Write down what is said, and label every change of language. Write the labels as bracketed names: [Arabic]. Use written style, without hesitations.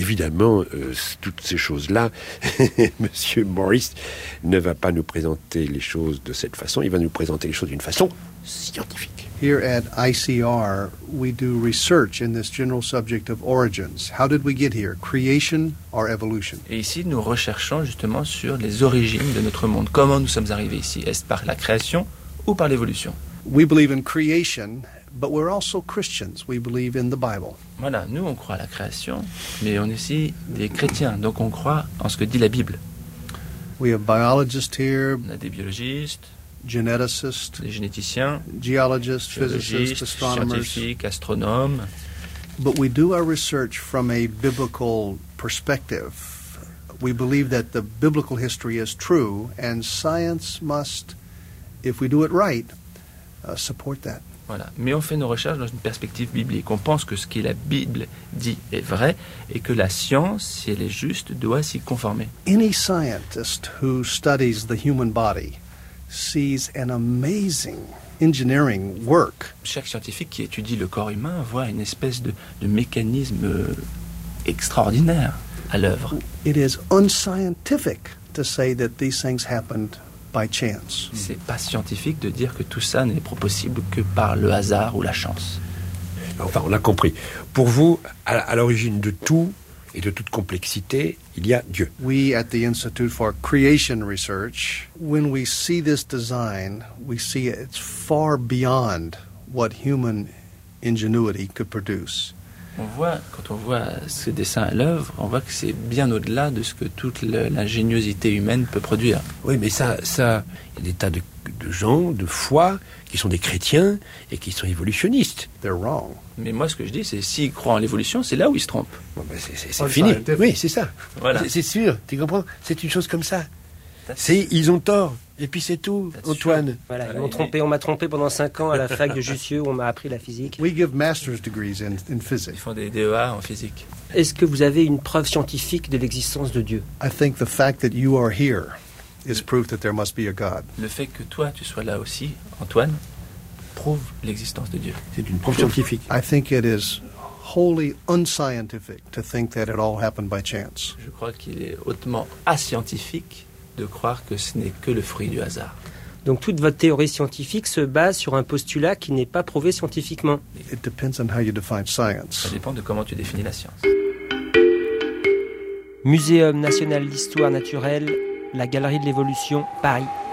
[French] Évidemment, toutes ces choses-là, Monsieur Morris ne va pas nous présenter les choses de cette façon, il va nous présenter les choses d'une façon scientifique. [English] Here at ICR, we do research in this general subject of origins. How did we get here? Creation or evolution? [French] Et ici, nous recherchons justement sur les origines de notre monde. Comment nous sommes arrivés ici? Est-ce par la création ou par l'évolution? [English] We believe in creation, but we're also Christians. We believe in the Bible. [French] Voilà, nous, on croit à la création, mais on est aussi des chrétiens. Donc, on croit en ce que dit la Bible. [English] We have biologists here. [French] On a des biologistes. [English] Geneticists, [French] les généticiens, [English] geologists, physicists, astronomers, [French] scientifiques, astronomes. [English] But we do our research from a biblical perspective. We believe that the biblical history is true, and science must, if we do it right, support that. [French] Voilà. Mais on fait nos recherches dans une perspective biblique. On pense que ce que la Bible dit est vrai et que la science, si elle est juste, doit s'y conformer. [English] Any scientist who studies the human body sees an amazing engineering work. [French] Chaque scientifique qui étudie le corps humain voit une espèce de mécanisme extraordinaire à l'œuvre. [English] It is unscientific to say that these things happened by chance. [French] C'est pas scientifique de dire que tout ça n'est possible que par le hasard ou la chance. Enfin, on a compris. Pour vous, à l'origine de tout et de toute complexité, il y a Dieu. [English] We at the Institute for Creation Research, when we see this design, we see it's far beyond what human ingenuity could produce. [French] On voit, quand on voit ce dessin à l'œuvre, on voit que c'est bien au-delà de ce que toute l'ingéniosité humaine peut produire. Oui, mais ça, il y a des tas de gens, de foi, qui sont des chrétiens et qui sont évolutionnistes. [English] They're wrong. [French] Mais moi, ce que je dis, c'est s'ils croient en l'évolution, c'est là où ils se trompent. Bon, ben c'est fini. Oui, c'est ça. Voilà. C'est sûr, tu comprends? C'est une chose comme ça. Ils ont tort. Et puis c'est tout, Antoine. Voilà, ils m'ont trompé. On m'a trompé pendant 5 ans à la fac de Jussieu, où on m'a appris la physique. [English] We give master's degrees in physics. [French] Ils font des DEA en physique. Est-ce que vous avez une preuve scientifique de l'existence de Dieu? [English] I think the fact that you are here is proof that there must be a God. [French] Le fait que toi, tu sois là aussi, Antoine, prouve l'existence de Dieu. C'est une preuve scientifique. [English] I think it is wholly unscientific to think that it all happened by chance. [French] Je crois qu'il est hautement ascientifique de croire que ce n'est que le fruit du hasard. Donc toute votre théorie scientifique se base sur un postulat qui n'est pas prouvé scientifiquement. [English] It depends on how you define science. [French] Ça dépend de comment tu définis la science. Muséum national d'histoire naturelle, la Galerie de l'Évolution, Paris.